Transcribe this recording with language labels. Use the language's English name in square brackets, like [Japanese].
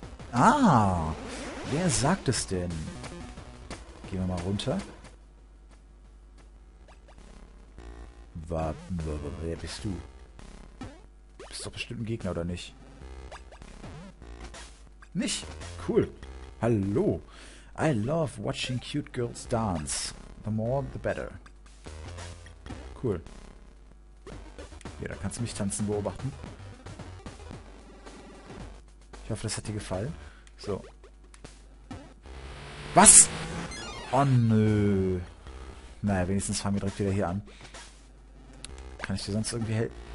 [German] Ah! Wer sagt es denn? Gehen wir mal runter. Wer bist du? Du bist doch bestimmt ein Gegner, oder nicht? Nicht? Cool. Hallo. [English] I love watching cute girls dance. The more, the better. Cool. [German] Ja, da kannst du mich tanzen beobachten. Ich hoffe, das hat dir gefallen. So. Was? Oh nö. Naja, wenigstens fangen wir direkt wieder hier an. Kann ich dir sonst irgendwie helfen?